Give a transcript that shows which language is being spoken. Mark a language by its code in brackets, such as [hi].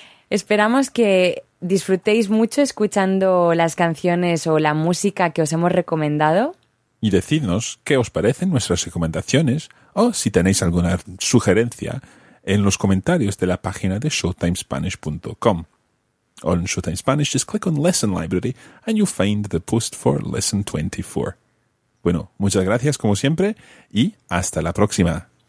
[es] Esperamos que disfrutéis mucho escuchando las canciones o la música que os hemos recomendado. Y decidnos qué os parecen nuestras recomendaciones o si tenéis alguna sugerencia en los comentarios de la página de ShowtimeSpanish.com. [en] On Showtime Spanish, just click on Lesson Library and you'll find the post for Lesson 24. [es] Bueno, muchas gracias como siempre y hasta la próxima.